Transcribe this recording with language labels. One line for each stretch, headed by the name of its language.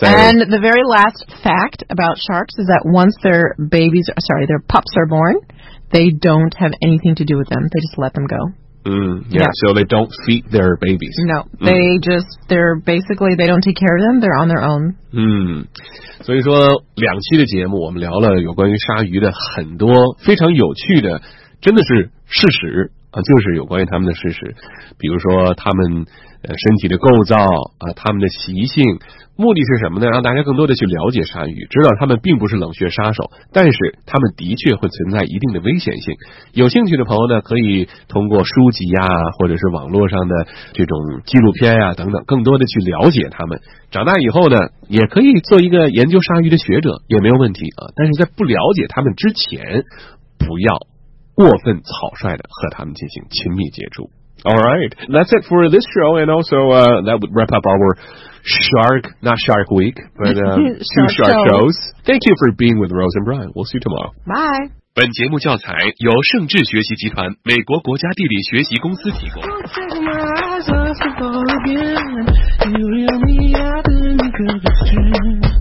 English: And the very last fact about sharks is that once their pups are born, they don't have anything to do with them. They just let them go. Mm, yeah, so they don't feed their babies. No, they don't take care of them, they're on their own.
Chinese: 所以说两期的节目我们聊了有关于鲨鱼的很多非常有趣的真的是事实啊，就是有关于他们的事实，比如说他们身体的构造啊，他们的习性，目的是什么呢？让大家更多的去了解鲨鱼，知道他们并不是冷血杀手，但是他们的确会存在一定的危险性。有兴趣的朋友呢，可以通过书籍啊，或者是网络上的这种纪录片啊等等，更多的去了解他们。长大以后呢，也可以做一个研究鲨鱼的学者，也没有问题啊。但是在不了解他们之前，不要过分草率的和他们进行亲密接触。
English: All right. That's it for this show. And also, that would wrap up our shark, not shark week, but two shark shows. Thank you for being with Rose and Brian. We'll see you tomorrow. Bye.
Chinese: 本节目教材由盛智学习集团美国国家地理学习公司提供。